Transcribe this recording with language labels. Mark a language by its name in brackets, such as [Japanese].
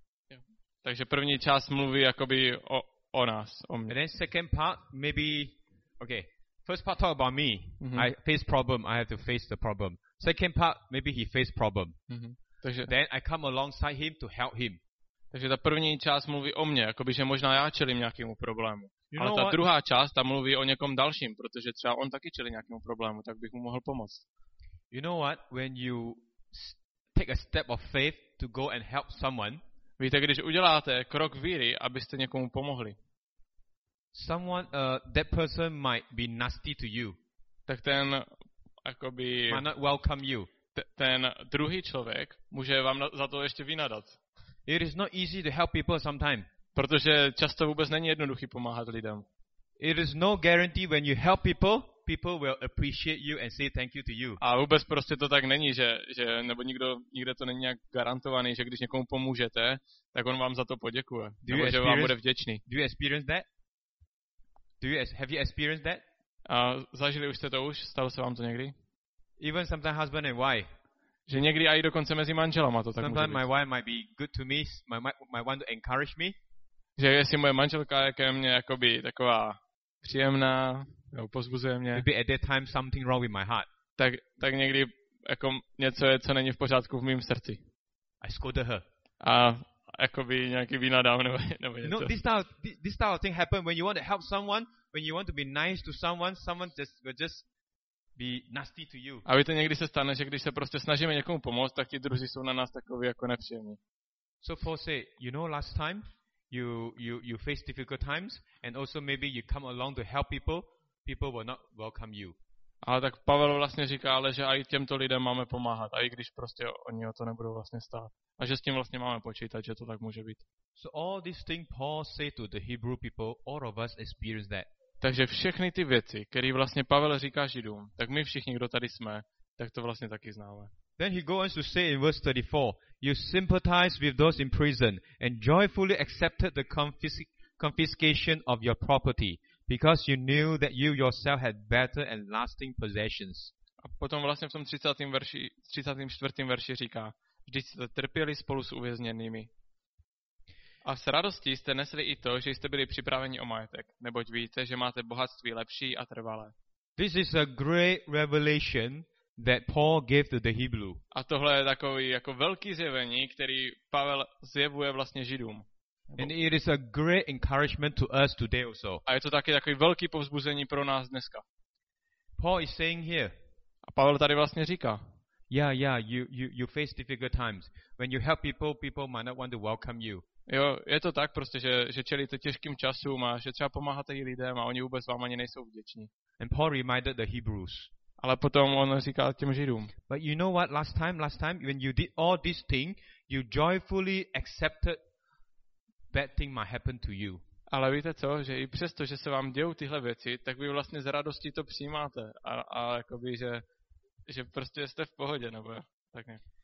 [English] Yeah. [Czech] Takže první část mluví jakoby o nás, o mě. [English] And then second part, maybe, okay, first part talk about me. Mm-hmm. I face problem, I have to face the problem. Second part, maybe he faced problem. [Czech] Mm-hmm. Takže, [English] then I come alongside him to help him. [Czech] Takže ta první část mluví o mně, jakoby, že možná já čelím nějakému problému. You ale ta what? Druhá část, ta mluví o někom dalším, protože třeba on taky čelí nějakému problému, tak bych mu mohl pomoct. [English] You know what? When you take a step of faith to go and help someone, [Czech] víte, když uděláte krok víry, abyste někomu pomohli. [English] Someone, that person might be nasty to you. [Czech] Tak ten jakoby [English] might not welcome you. [Czech] Ten druhý člověk může vám za to ještě vynadat. [English] It is not easy to help people sometimes. [Czech] Protože často vůbec není jednoduchý pomáhat lidem. [English] It is no guarantee when you help people, people will appreciate you and say thank you to you. [Czech] A vůbec prostě to tak není, že nebo nikde to není nějak garantovaný, že když někomu pomůžete, tak on vám za to poděkuje. Nebo že vám bude vděčný. [English] Do you experience that? Have you experienced that? [Czech] Zažili už jste to už? Stalo se vám to někdy? [English] Even sometimes husband and wife. [Czech] Že někdy aj dokonce mezi manželama to tak [English] sometimes Sometimes my wife might be good to me, might want to encourage me. [Czech] Že jestli moje manželka je ke mně jakoby taková příjemná, nebo pozbuzuje mě. [English] Maybe at that time something wrong with my heart. [Czech] Tak někdy jako něco je, co není v pořádku v mým srdci. [English] I scolded her. [Czech] A jakoby nějaký vynadám nebo něco. [English] No, this type of thing happen when you want to help someone, when you want to be nice to someone just be nasty to you. [Czech] A víte, někdy se stane, že když se prostě snažíme někomu pomoct, tak ti druzí jsou na nás takový jako nepříjemní. [English] So Paul say, you know last time you face difficult times and also maybe you come along to help people will not welcome you. [Czech] A tak Pavel vlastně říká, ale že aj těmto lidem máme pomáhat, a i když prostě oni o to nebudou vlastně stát. A že s tím vlastně máme počítat, že to tak může být. [English] So all these things Paul say to the Hebrew people, all of us experience that. [Czech] Takže všechny ty věci, které vlastně Pavel říká Židům, tak my všichni, kdo tady jsme, tak to vlastně taky známe. [English] Then he goes to say in verse 34, you sympathize with those in prison and joyfully accepted the confiscation of your property because you knew that you yourself had better and lasting possessions. [Czech] A potom vlastně v tom 34. verši říká, vždyť jste trpěli spolu s uvězněnými. A s radostí jste nesli i to, že jste byli připraveni o majetek, neboť víte, že máte bohatství lepší a trvalé. [English] This is a great revelation that Paul gave to the Hebrew. [Czech] A tohle je takový jako velký zjevení, který Pavel zjevuje vlastně Židům. [English] And it is a great encouragement to us today also. [Czech] A je to taky takový velký povzbuzení pro nás dneska. [English] Paul is saying here. [Czech] A Pavel tady vlastně říká. [English] Yeah, you face difficult times. When you help people might not want to welcome you. [Czech] Jo, je to tak prostě, že čelíte těžkým časům a že třeba pomáháte i lidem a oni vůbec vám ani nejsou vděční. [English] And Paul reminded the Hebrews. [Czech] Ale potom on říká těm Židům. [English] But you know what, last time, when you did all this thing, you joyfully accepted bad thing might happen to you. [Czech] Ale víte co, že i přesto, že se vám dějou tyhle věci, tak vy vlastně z radostí to přijímáte. A jakoby, že prostě jste v pohodě, nebo tak ne.